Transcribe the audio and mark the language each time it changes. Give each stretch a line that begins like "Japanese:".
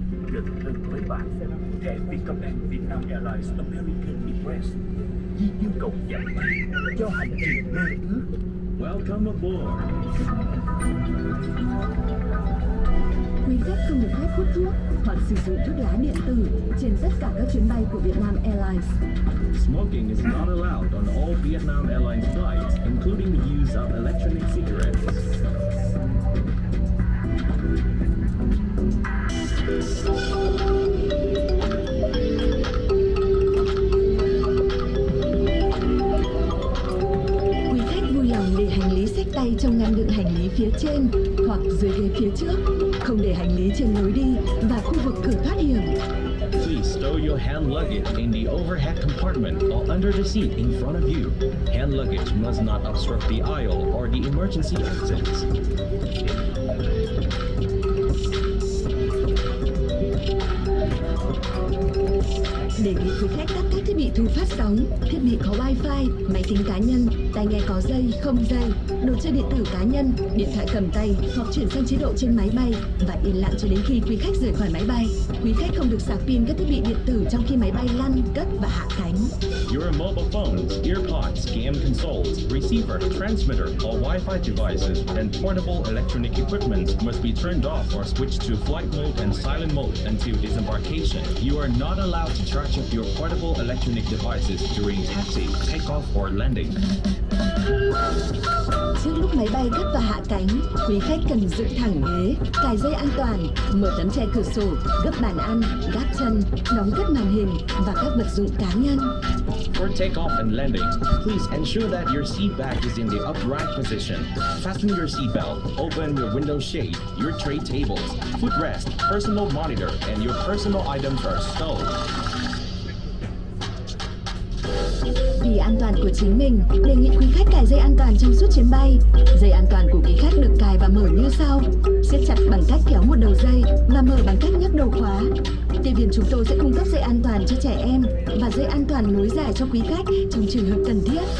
Vietnamese: Được thưa quý bạn, thẻ phi công đoàn Vietnam Airlines American Express di yêu cầu giảm bay cho hành trình mơ ước.
English: Welcome aboard.
Vietnamese: Quý khách không được phép hút thuốc hoặc sử dụng thuốc lá điện tử trên tất cả các chuyến bay của Vietnam Airlines.
English: Smoking is not allowed on all Vietnam Airlines flights, including the use of electronic cigarettes.
Vietnamese: Quý khách vui lòng để hành lý xách tay trong ngăn đựng hành lý phía trên hoặc dưới ghế phía trước. Không để hành lý trên lối đi và khu vực cửa thoát hiểm.
English: Please stow your hand luggage in the overhead compartment or under the seat in front of you. Hand luggage must not obstruct the aisle or the emergency exits.
Vietnamese: Đề nghị quý khách cắt các thiết thiết bị thu phát sóng, thiết bị có wifi, máy tính cá nhân, tai nghe có dây, không dây, đồ chơi điện tử cá nhân, điện thoại cầm tay hoặc chuyển sang chế độ trên máy bay và yên lặng cho đến khi quý khách rời khỏi máy bay. Quý khách không được sạc pin các thiết bị điện tử trong khi máy bay lăn, cất và hạ cánh.
English: Your mobile phones, earpods, game consoles, receiver, transmitter, all wifi devices and portable electronic equipment must be turned off or switched to flight mode and silent mode until disembarkation. You are not allowed to charge up your portable electronic devices during taxi, takeoff or landing.
Vietnamese: Trước lúc máy bay cất và hạ cánh, quý khách cần dựng thẳng ghế, cài dây an toàn, mở tấm che cửa sổ, gấp bàn ăn, gác chân, đóng cất màn hình và các vật dụng cá nhân.
English: For takeoff and landing, please ensure that your seat back is in the upright position. Fasten your seatbelt, open your window shade, your tray tables, footrest, personal monitor, and your personal items are stowed.
Vietnamese: Vì an toàn của chính mình, đề nghị quý khách cài dây an toàn trong suốt chuyến bay. Dây an toàn của quý khách được cài và mở như sau. Siết chặt bằng cách kéo một đầu dây và mở bằng cách nhấc đầu khóa. Tiếp viên chúng tôi sẽ cung cấp dây an toàn cho trẻ em và dây an toàn nối dài cho quý khách trong trường hợp cần thiết.